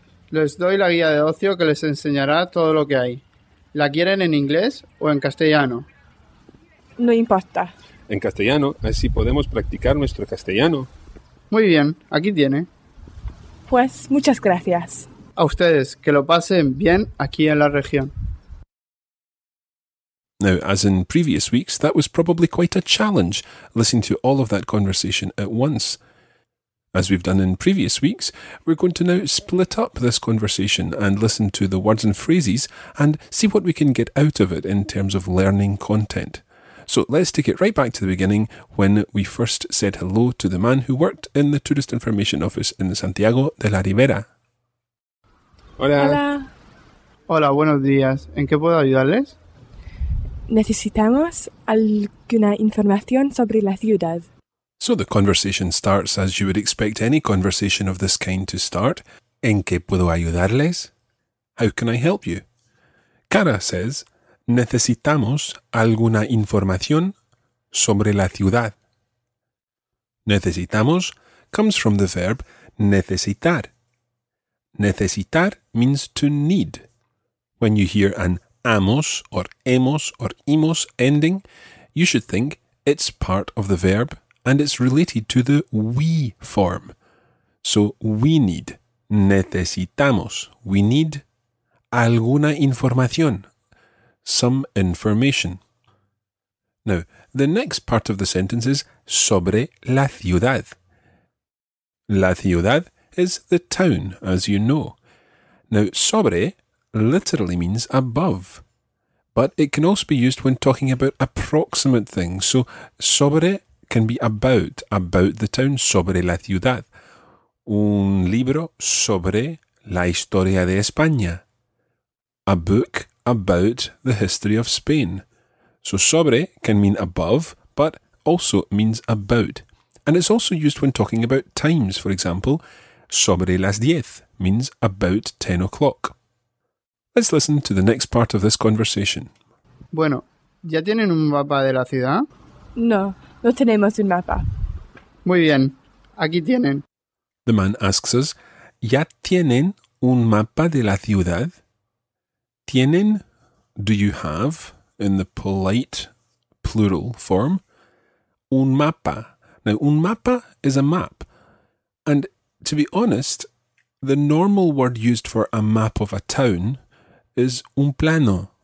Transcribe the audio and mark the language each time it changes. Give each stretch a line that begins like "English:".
Spanish: Les doy la guía de ocio que les enseñará todo lo que hay. ¿La quieren en inglés o en castellano? No importa. En castellano, así podemos practicar nuestro castellano. Muy bien, aquí tiene. Pues, muchas gracias. A ustedes, que lo pasen bien aquí en la región.
English: Now, as in previous weeks, that was probably quite a challenge, listening to all of that conversation at once. As we've done in previous weeks, we're going to now split up this conversation and listen to the words and phrases and see what we can get out of it in terms of learning content. So let's take it right back to the beginning when we first said hello to the man who worked in the tourist information office in Santiago de la Ribera.
Spanish: Hola. Hola. Hola, buenos días. ¿En qué puedo ayudarles? Necesitamos alguna información sobre la ciudad.
English: So the conversation starts as you would expect any conversation of this kind to start.
Spanish: ¿En qué puedo ayudarles?
English: How can I help you?
Spanish: Cara
English: says,
Spanish: necesitamos alguna información sobre la ciudad. Necesitamos
English: comes from the verb
Spanish: necesitar.
English: Necesitar means to need. When you hear an amos or hemos or imos ending, you should think it's part of the verb and it's related to the we form. So we need,
Spanish: necesitamos,
English: we need
Spanish: alguna información,
English: some information. Now, the next part of the sentence is
Spanish: sobre la ciudad.
English: La ciudad is the town, as you know. Now, sobre literally means above, but it can also be used when talking about approximate things. So, sobre can be about the town,
Spanish: sobre la ciudad. Un libro sobre la historia de España.
English: A book about the history of Spain. So, sobre can mean above, but also means about. And it's also used when talking about times. For example,
Spanish: sobre las diez
English: means about 10 o'clock. Let's listen to the next part of this conversation.
Spanish: Bueno, ¿ya tienen un mapa de la ciudad? No, no tenemos un mapa. Muy bien, aquí tienen.
English: The man asks us,
Spanish: ¿ya tienen un mapa de la ciudad? ¿Tienen?
English: Do you have? In the polite plural form.
Spanish: Un mapa.
English: Now,
Spanish: un mapa
English: is a map. And to be honest, the normal word used for a map of a town is
Spanish: un plano.